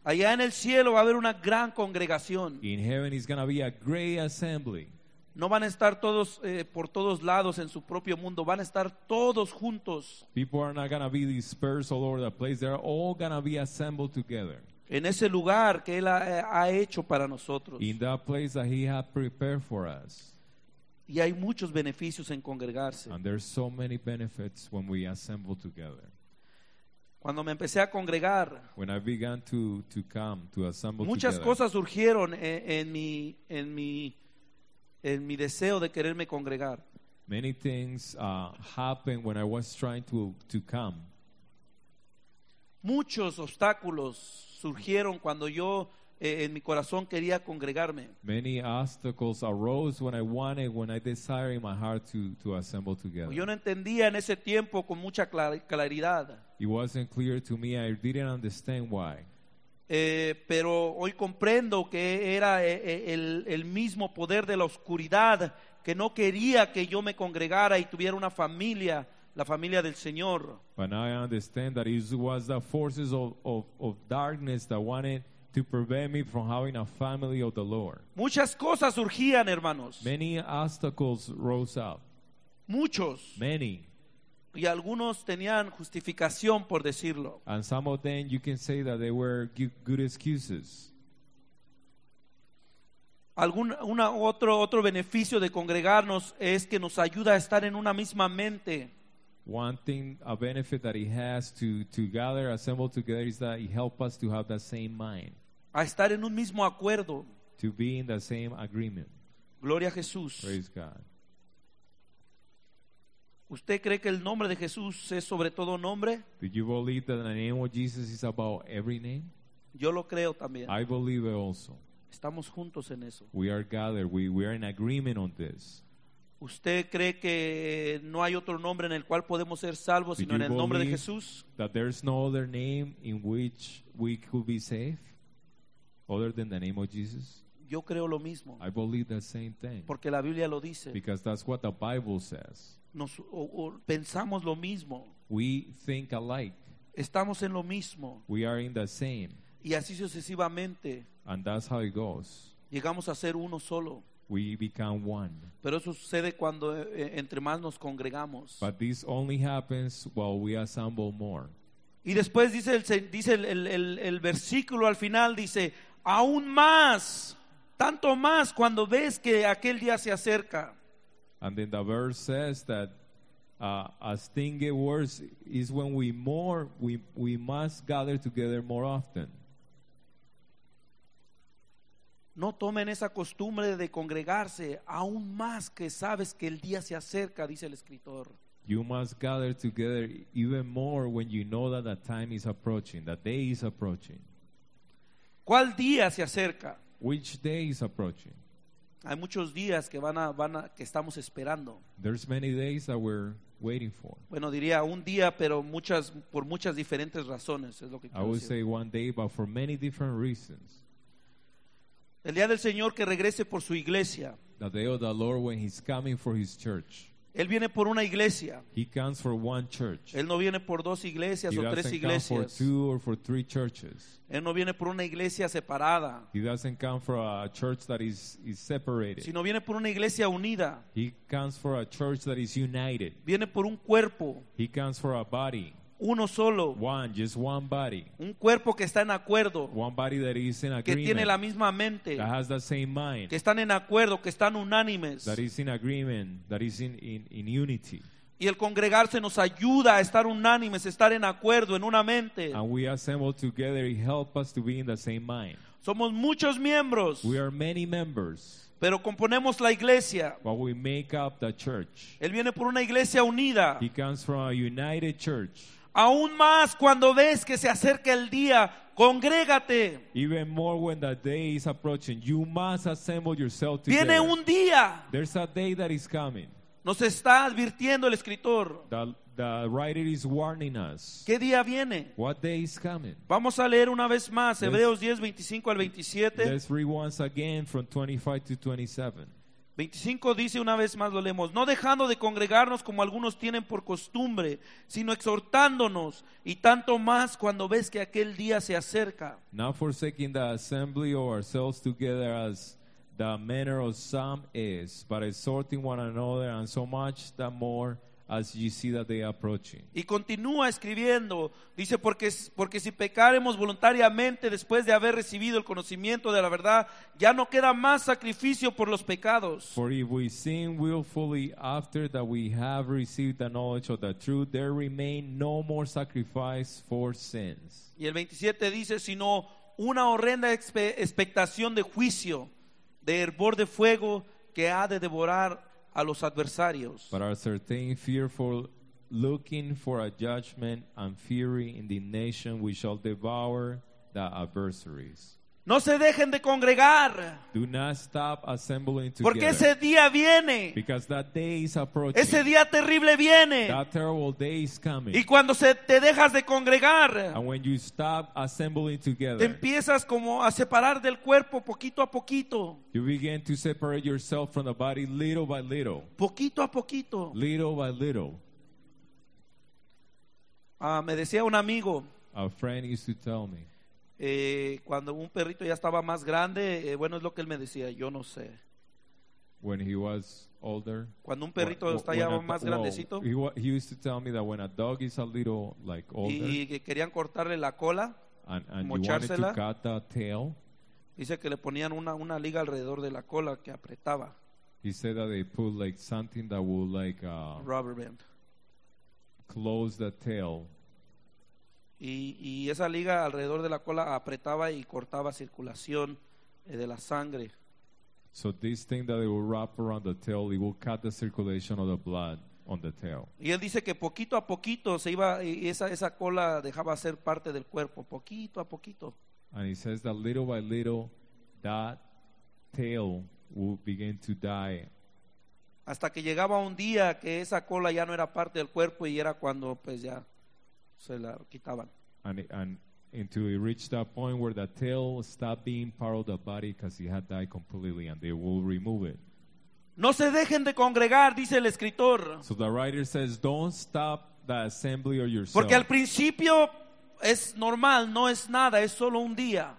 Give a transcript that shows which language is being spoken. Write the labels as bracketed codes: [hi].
[es] Allá en el cielo va a haber una gran congregación. [en] In heaven is going to be a great assembly. [es] No van a estar todos por todos lados en su propio mundo. Van a estar todos juntos. [en] People are not going to be dispersed all over the place. They're all going to be assembled together. [es] En ese lugar que Él ha hecho para nosotros. [en] In that place that He has prepared for us. [es] Y hay muchos beneficios en congregarse. [en] And there's so many benefits when we assemble together. [es] Cuando me empecé a congregar. [en] When I began to come, to assemble [es] muchas [en] together. [es] Muchas cosas surgieron en mi deseo de quererme congregar. [en] Many things happened when I was trying to come. [es] Muchos obstáculos surgieron cuando yo en mi corazón quería congregarme. [en] Many obstacles arose when I desired in my heart to assemble together. [es] Yo no entendía en ese tiempo con mucha claridad. [en] It wasn't clear to me. I didn't understand why. [es] Pero hoy comprendo que era el mismo poder de la oscuridad que no quería que yo me congregara y tuviera una familia, la familia del Señor. [en] But now I understand that it was the forces of darkness that wanted to prevent me from having a family of the Lord. [es] Muchas cosas surgían, hermanos. [en] Many obstacles rose up. [es] Muchos. [en] Many. [es] Y algunos tenían justificación por decirlo. [en] And some of them you can say that they were good excuses. [es] Otro beneficio de congregarnos es que nos ayuda a estar en una misma mente. [en] One thing, a benefit that it has to gather, assemble together, is that it helps us to have the same mind. [es] A estar en un mismo acuerdo. [en] To be in the same agreement. [es] Gloria a Jesús. [en] Praise God. [es] ¿Usted cree que el nombre de Jesús es sobre todo nombre? [en] Do you believe that the name of Jesus is about every name? [es] Yo lo creo también. [en] I believe it also. [es] Estamos juntos en eso. [en] We are gathered. We are in agreement on this. [es] ¿Usted cree que no hay otro nombre en el cual podemos ser salvos sino en el nombre de Jesús? [en] That there is no other name in which we could be safe other than the name of Jesus? [es] Yo creo lo mismo. [en] I believe the same thing. [es] Porque la Biblia lo dice. [en] Because that's what the Bible says. [es] Pensamos lo mismo. [en] We think alike. [es] Estamos en lo mismo. [en] We are in the same. [es] Y así sucesivamente. [en] And that's how it goes. [es] Llegamos a ser uno solo. [en] We become one. [es] Pero eso sucede cuando entre más nos congregamos. [en] But this only happens while we assemble more. [es] Y después dice el versículo al final dice aún más, tanto más cuando ves que aquel día se acerca. [en] And then the verse says that as things get worse is when we must gather together more often. [es] No tomen esa costumbre de congregarse aún más que sabes que el día se acerca, dice el escritor. [en] You must gather together even more when you know that the time is approaching, the day is approaching. [es] ¿Cuál día se acerca? [en] Which day is approaching? [es] Hay muchos días que van a que estamos esperando. [en] There's many days that we're waiting for. [es] Bueno, diría un día, pero muchas por muchas diferentes razones es lo que quiero decir. [en] I would one day, but for many different reasons. [es] El día del Señor que regrese por su iglesia. [en] The day of the Lord when He's coming for His church. [es] Él viene por una iglesia. [en] He comes for one church. [es] Él no viene por dos iglesias [en] he [es] o tres iglesias. [en] He doesn't come for two or for three churches. [es] Él no viene por una iglesia separada. [en] He doesn't come for a church that is separated. [es] Sino viene por una iglesia unida. [en] He comes for a church that is united. [es] Viene por un cuerpo. [en] He comes for a body. [es] Uno solo. [en] One, just one body. [es] Un cuerpo que está en acuerdo. [en] One body that is in agreement. [es] Que tiene la misma mente. [en] That has the same mind. [es] Que están en acuerdo, que están unánimes. [en] That is in agreement, that is in unity. [es] Y el congregarse nos ayuda a estar unánimes, estar en acuerdo, en una mente. [en] And we assemble together, it helps us to be in the same mind. [es] Somos muchos miembros. [en] We are many members. [es] Pero componemos la iglesia. [en] But we make up the church. [es] Él viene por una iglesia unida. [en] He comes from a united church. [es] Aún más cuando ves que se acerca el día, congrégate. [en] Even more when the day is approaching, you must assemble yourself together. [es] Viene un día. [en] There's a day that is coming. [es] Nos está advirtiendo el escritor. [en] The writer is warning us. [es] ¿Qué día viene? [en] What day is coming? [es] Vamos a leer una vez más Hebreos 10, 25 al 27. [en] Let's read once again from 25 to 27. [es] 25 dice una vez más, lo leemos, no dejando de congregarnos como algunos tienen por costumbre, sino exhortándonos, y tanto más cuando ves que aquel día se acerca. [en] Not forsaking the assembly of ourselves together as the manner of some is, but exhorting one another, and so much the more as you see that they are approaching. [es] Y continúa escribiendo, dice, porque si pecaremos voluntariamente después de haber recibido el conocimiento de la verdad, ya no queda más sacrificio por los pecados. [en] For if we sin willfully after that we have received the knowledge of the truth, there remain no more sacrifice for sins. [es] Y el 27 dice, sino una horrenda expectación de juicio, de hervor de fuego que ha de devorar a los adversarios. [en] But our certain fearful looking for a judgment and fury in the nation we shall devour the adversaries. [es] No se dejen de congregar. [en] Do not stop assembling together. [es] Porque ese día viene. [en] Because that day is approaching. [es] Ese día terrible viene. [en] That terrible day is coming. [es] Y cuando te dejas de congregar. [en] And when you stop assembling together. [es] Te empiezas como a separar del cuerpo poquito a poquito. [en] You begin to separate yourself from the body little by little. [es] Poquito a poquito. [en] Little by little. [es] Me decía un amigo. [en] A friend used to tell me. [es] Cuando un perrito ya estaba más grande, bueno, es lo que él me decía, yo no sé. [en] When he was older, [es] cuando un perrito está ya más grandecito, [en] he used to tell me that when a dog is a little like older, [es] y que querían cortarle la cola, [en] and [es] mochársela, [en] you wanted to cut the tail, [es] dice que le ponían una liga alrededor de la cola que apretaba. [en] He said that they put like something that would like rubber band close the tail. [es] Y esa liga alrededor de la cola apretaba y cortaba circulación de la sangre. [en] So this thing that it will wrap around the tail, it will cut the circulation of the blood on the tail. [es] Y él dice que poquito a poquito se iba y esa cola dejaba ser parte del cuerpo, poquito a poquito. [en] And he says that little by little, that tail will begin to die. [es] Hasta que llegaba un día que esa cola ya no era parte del cuerpo y era cuando pues ya se la quitaban. [en] And until it reached that point where the tail stopped being part of the body because it had died completely, and they will remove it. [es] No se dejen de congregar, dice el escritor. [en] So the writer says, don't stop the assembly or yourself. [es] Porque al principio es normal, no es nada, es solo un día.